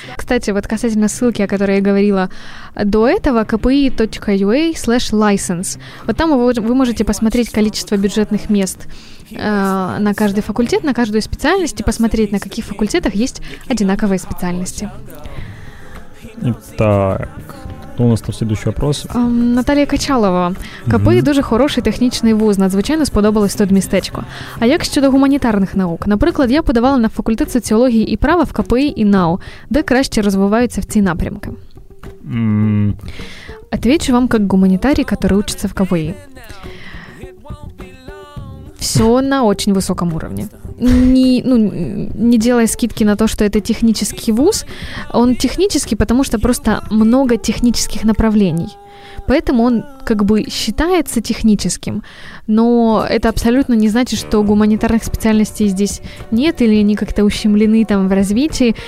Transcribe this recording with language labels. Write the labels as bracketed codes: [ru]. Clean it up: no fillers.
[ru] Кстати, вот касательно ссылки, о которой я говорила до этого, kpi.ua/license. Вот там вы можете посмотреть количество бюджетных мест на каждый факультет, на каждую специальность, и посмотреть, на каких факультетах есть одинаковые специальности. Итак... У нас там следующий вопрос. Наталія Качалова. [uk] КПІ дуже хороший технічний вуз, надзвичайно сподобалось тут містечко. А як щодо гуманітарних наук? Наприклад, я подавала на факультет соціології і права в КПІ і НАУ, де краще розвиваються в ці напрямки. [ru] Отвечу вам [uk] як гуманітарій, який учиться в КПІ. [ru] Все на очень высоком уровне. Не делая скидки на то, что это технический вуз. Он технический, потому что просто много технических направлений. Поэтому он как бы считается техническим. Но это абсолютно не значит, что гуманитарных специальностей здесь нет, или они как-то ущемлены там в развитии.